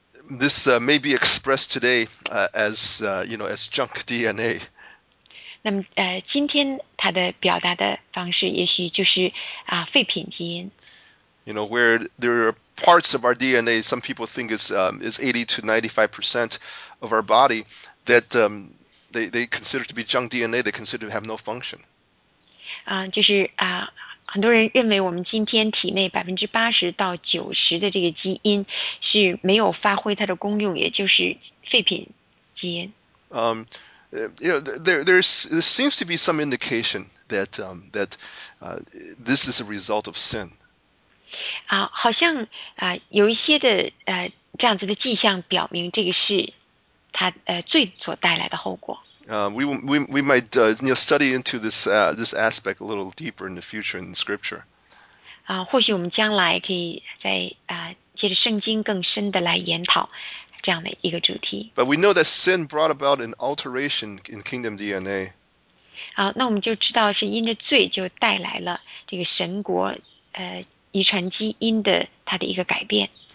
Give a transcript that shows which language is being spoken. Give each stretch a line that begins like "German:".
English: this may be expressed today as you know, as junk DNA.
Chinese: 那么今天它的表达的方式也许就是废品基因。
English: You know, where there are parts of our DNA, some people think is 80 to 95% of our body that they consider to be junk DNA, they consider to have no function.
Chinese: 就是很多人认为我们今天体内 80% 到 90% 的这个基因是没有发挥它的功用，也就是废品基因。
English: You know, there seems to be some indication that this is a result of sin.
Chinese: 好像有一些的这样子的迹象表明这个是他罪所带来的后果。
English: We might you know, study into this this aspect a little deeper in the future in the scripture.
Chinese: 或许我们将来可以在借着圣经更深的来研讨。这样的一个主题。
English: But we know that sin brought about an alteration in kingdom DNA.
Chinese: 那我们就知道是因着罪就带来了这个神国遗传基因的它的一个改变。